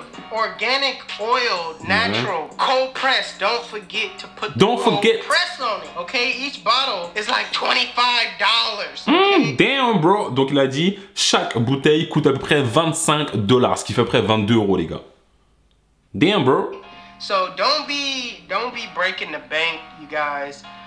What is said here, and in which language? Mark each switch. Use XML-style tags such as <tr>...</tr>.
<en>Organic oil, natural, cold press. Don't forget to put cold press on it. Okay, each bottle is like $25. Damn, bro.</en> <fr>Donc il a dit chaque bouteille coûte à peu près $25, ce qui fait à peu près 22 euros, les gars.</fr> <en>Damn, bro. So don't be breaking the bank, you guys.</en>